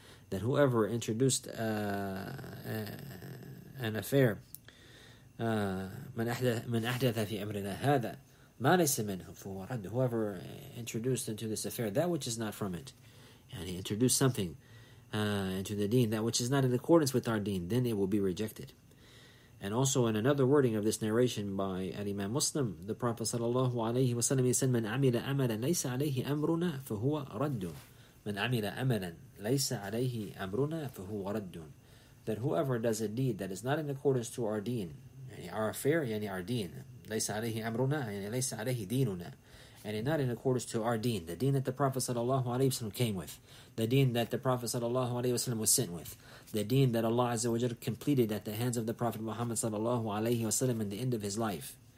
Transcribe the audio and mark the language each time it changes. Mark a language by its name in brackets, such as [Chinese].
[English] That whoever introduced an affair, [Arabic] من أحدث في أمرنا هذا ما ليس منه فهو رد, [English] whoever introduced into this affair that which is not from it, and he introduced something into the deen, that which is not in accordance with our deen, then it will be rejected. And also in another wording of this narration by Imam Muslim, the Prophet sallallahu alayhi wa sallam, he said, [Arabic] من عمل عملا ليس عليه أمرنا فهو رد. من عمل عملا ليس عليه أمرنا فهو رد. [English] That whoever does a deed that is not in accordance to our deen, yani our affair, yani our deen, [Arabic] ليس عليه أمرنا, [English] yani [Arabic] ليس عليه ديننا, [English] and not in accordance to our deen, the deen that the Prophet sallallahu alayhi wa sallam came with, the deen that the Prophet sallallahu alayhi wa sallam was sent with, the deen that Allah azza wa jalla completed at the hands of the Prophet Muhammad sallallahu alayhi wa sallam in the end of his life.